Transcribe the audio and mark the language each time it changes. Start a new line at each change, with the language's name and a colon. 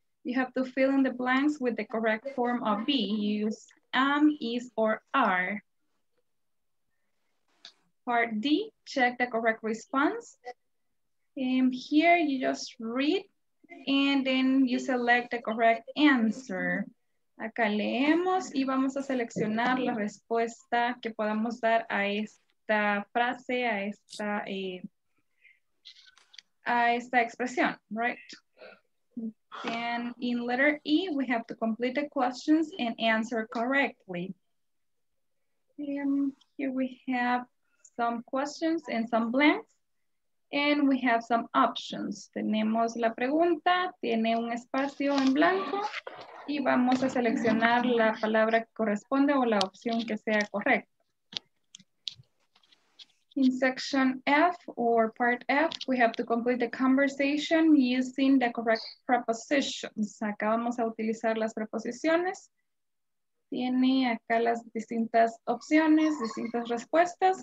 English: You have to fill in the blanks with the correct form of be. You use am, is, or are. Part D, check the correct response. Here you just read and then you select the correct answer.
Spanish: Acá leemos y vamos a seleccionar la respuesta que podamos dar a esta frase, a esta expresión,
English: right? And in letter E, we have to complete the questions and answer correctly. Here we have some questions and some blanks, and we have some options.
Spanish: Tenemos la pregunta, tiene un espacio en blanco, y vamos a seleccionar la palabra que corresponde o la opción que sea correcta.
English: In section F or part F, we have to complete the conversation using the correct prepositions.
Spanish: Acá vamos a utilizar las preposiciones. Tiene acá las distintas opciones, distintas respuestas.